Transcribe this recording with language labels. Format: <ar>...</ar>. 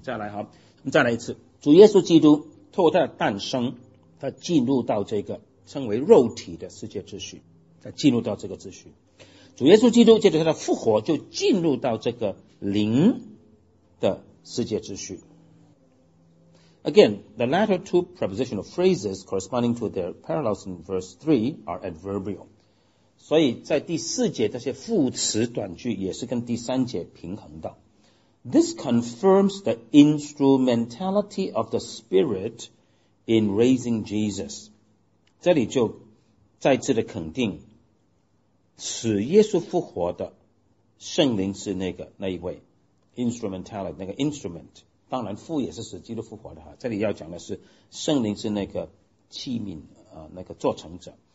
<zh>再来，好，我们再来一次，主耶稣基督透过他的诞生他进入到这个称为肉体的世界秩序，他进入到这个秩序，主耶稣基督借着他的复活就进入到这个灵的世界秩序。</zh> <en>Again the latter two prepositional phrases corresponding to their parallels in verse 3 are adverbial，</en> <zh>所以在第四节这些副词短句也是跟第三节平衡的。</zh> <en>This confirms the instrumentality of the Spirit in raising Jesus，</en> <zh>这里就再次的肯定使耶稣复活的圣灵是那个那一位 instrumentality 那个 instrument， 当然父也是使基督复活的，这里要讲的是圣灵是那个器皿那个作成者</zh>